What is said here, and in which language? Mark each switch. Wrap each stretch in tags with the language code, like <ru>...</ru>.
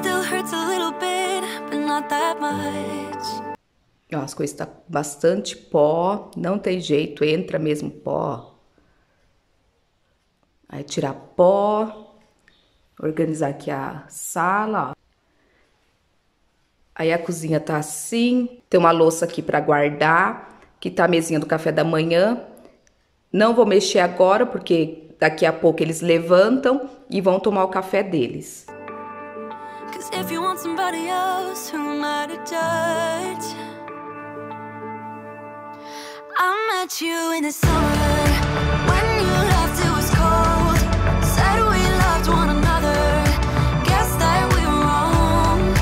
<en>hurts a little bit, but not that much.</en> <pt>As coisas tá bastante pó, não tem jeito, entra mesmo pó. Aí tirar pó, organizar aqui a sala, ó. Aí a cozinha tá assim, tem uma louça aqui para guardar, que tá a mesinha do café da manhã. Não vou mexer agora porque daqui a pouco eles levantam e vão tomar o café deles.</pt> <en>If you want somebody else, who am I to judge? I met you in the summer when you left, it was cold. Said we loved one another. Guess that we were wrong.</en>